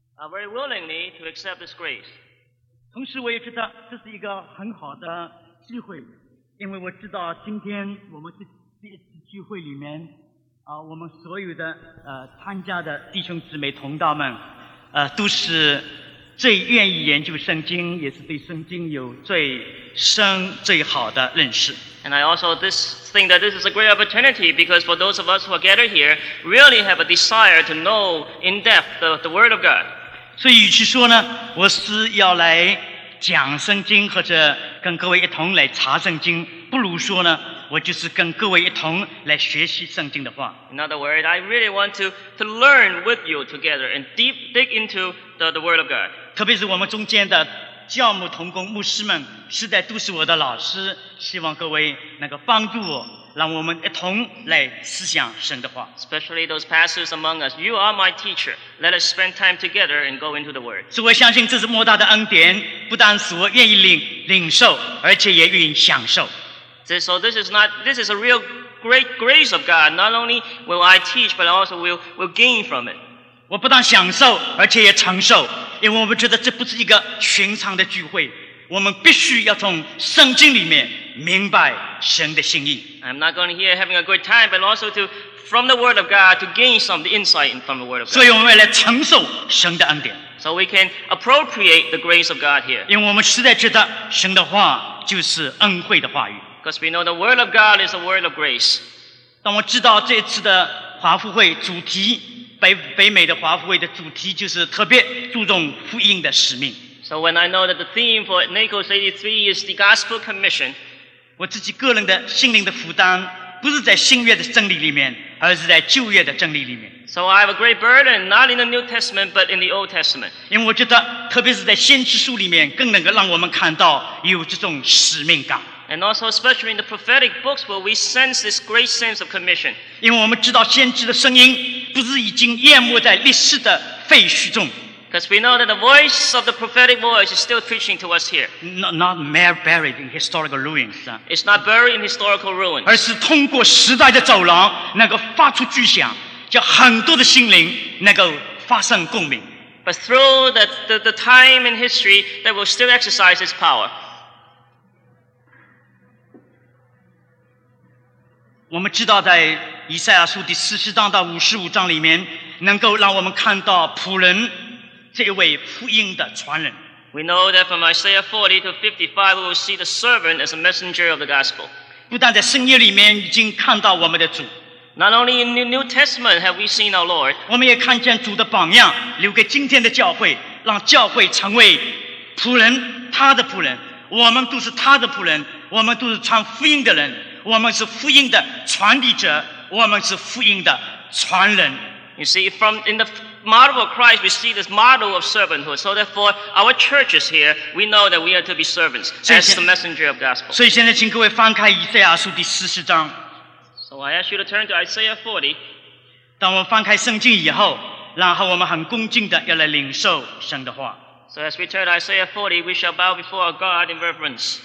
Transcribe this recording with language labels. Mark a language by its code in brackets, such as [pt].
[en] very willingly to accept this grace. [zh] 同时我也知道这是一个很好的机会，因为我知道今天我们这次聚会里面我们所有的参加的弟兄姊妹同道们都是最愿意研究圣经，也是对圣经有最深最好的认识。 [en] And I also think that this is a great opportunity because for those of us who are gathered here really have a desire to know in depth the word of God. [zh] 所以与其说呢，我是要来讲圣经或者跟各位一同来查圣经，不如说呢，我就是跟各位一同来学习圣经的话。 [en] In other words, I really want to learn with you together and dig into the word of God. [zh] 特别是我们中间的教牧同工牧师们，实在都是我的老师，希望各位能够帮助我，让我们一同来思想神的话。 [en] Especially those pastors among us, you are my teacher. Let us spend time together and go into the Word. [zh] 所以我相信这是莫大的恩典，不但是我愿意领受，而且也愿意享受。 [en] So this is a real great grace of God. Not only will I teach, but also will gain from it. [zh] 我不但享受，而且也承受，因为我们觉得这不是一个寻常的聚会。我们必须要从圣经里面明白神的心意。 [en] I'm not going here having a good time, but also from the Word of God to gain some insight from the Word of God. [zh] 所以我们来承受神的恩典。 [en] So we can appropriate the grace of God here. [zh] 因为我们实在觉得神的话就是恩惠的话语。 [en] Because we know the Word of God is a word of grace. [zh] 当我知道这次的华富会主题，北美的华富会的主题就是特别注重福音的使命。 [en] So when I know that the theme for NACOS 83 is the Gospel Commission, [zh] 我自己个人的心灵的负担不是在新约的真理里面，而是在旧约的真理里面。 [en] So I have a great burden, not in the New Testament, but in the Old Testament. [zh] 因为我觉得，特别是在先知书里面，更能够让我们看到有这种使命感。 [en] And also especially in the prophetic books where we sense this great sense of commission. [zh] 因为我们知道先知的声音不是已经淹没在历史的废墟中。 [en] Because we know that the voice of the prophetic voice is still preaching to us here. Not mere buried in historical ruins. It's not buried in historical ruins. [zh] 而是通过时代的走廊，能够发出巨响，叫很多的心灵能够发生共鸣。 [en] But through the time in history that will still exercise its power. [zh] 我们知道在以赛亚书第四十章到五十五章里面，能够让我们看到仆人。这位福音的传人。 [en] We know that from Isaiah 40 to 55, we will see the servant as a messenger of the gospel. [zh] 不但在圣经里面已经看到我们的主。 [en] Not only in the New Testament have we seen our Lord. [zh] 我们也看见主的榜样留给今天的教会，让教会成为仆人，他的仆人。我们都是他的仆人，我们都是传福音的人，我们是福音的传递者，我们是福音的传人。 [en] You see, from in the model of Christ, we see this model of servanthood. So therefore, our churches here, we know that we are to be servants as the messenger of gospel. [zh] 所以现在请各位翻开以赛亚书第四十章。 [en] So I ask you to turn to Isaiah 40. [zh] 当我们翻开圣经以后，然后我们很恭敬的要来领受神的话。 [en] So as we turn to Isaiah 40, we shall bow before our God in reverence.